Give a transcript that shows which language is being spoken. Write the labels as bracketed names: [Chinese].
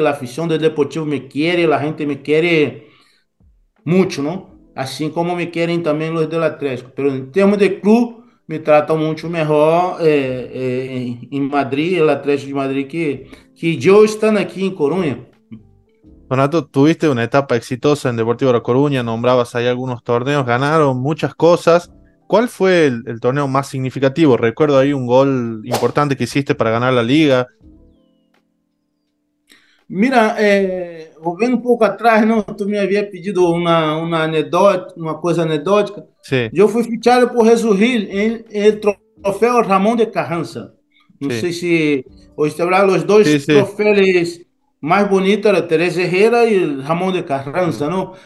[Portuguese] A afición do Deportivo me quer, a gente me quer muito, não? Assim como me querem também os do Atlético, pero em termos de clube, me tratam muito melhor em Madrid, o Atlético de Madrid, que eu estando aqui em Corunha. [Spanish] Renato, tuviste una etapa exitosa en Deportivo La Coruña, nombrabas ahí algunos torneos, ganaron muchas cosas. ¿Cuál fue el torneo más significativo? Recuerdo ahí un gol importante que hiciste para ganar la liga. [Portuguese] Mira, voltando um pouco atrás, não, tu me havia pedido uma anedota, uma coisa anedótica. Sim. Eu fui fichado por Resurgir em troféu Ramón de Carranza. Não sei se hoje os dois Sim. troféus mais bonitos eram Teresa Herrera e Ramón de Carranza, não?